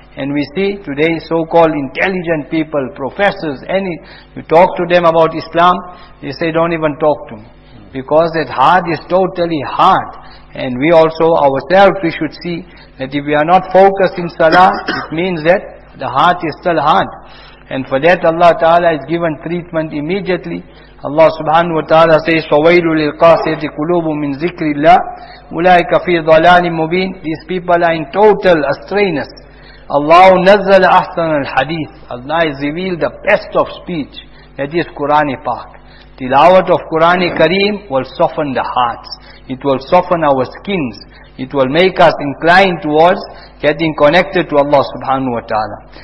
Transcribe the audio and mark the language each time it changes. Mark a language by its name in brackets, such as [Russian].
[English] And we see today so-called intelligent people, professors, any, you talk to them about Islam, they say, don't even talk to me. Because that heart is totally hard. And we also, ourselves, we should see that if we are not focused in salah, it means that the heart is still hard. And for that, Allah Ta'ala is given treatment immediately. Allah subhanahu wa ta'ala says, [Arabic] فَوَيْلُ لِلْقَاسِيَةِ قُلُوبٌ مِّن ذِكْرِ اللَّهِ أُولَٰئِكَ فِي ضَلَالٍ مُّبِينٍ. [English] These people are in total astrayness. [Arabic] Allah nazzala ahsana al-hadith. [English] Allah has revealed the best of speech, that is Qur'an Pak. Tilawat of Qur'an Kareem will soften the hearts. It will soften our skins. It will make us inclined towards getting connected to Allah subhanahu wa ta'ala.